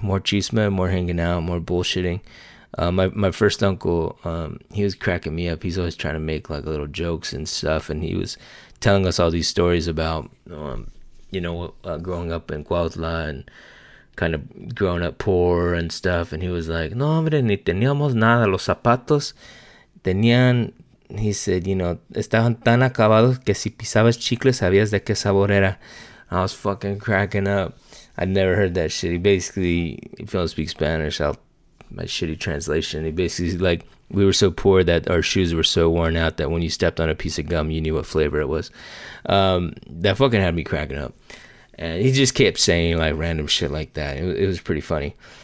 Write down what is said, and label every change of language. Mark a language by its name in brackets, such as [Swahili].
[English] More chisme, more hanging out, more bullshitting. My first uncle, he was cracking me up. He's always trying to make like little jokes and stuff, and he was telling us all these stories about, growing up in Cuautla and kind of growing up poor and stuff. And he was like, [Spanish] "No, hombre, ni teníamos nada. Los zapatos tenían," [English] he said, [Spanish] "estaban tan acabados que si pisabas chicles sabías de qué sabor era." [English] I was fucking cracking up. I'd never heard that shit. He basically, if you don't speak Spanish, my shitty translation. He basically like, we were so poor that our shoes were so worn out that when you stepped on a piece of gum, you knew what flavor it was. That fucking had me cracking up. And he just kept saying like random shit like that. It was pretty funny.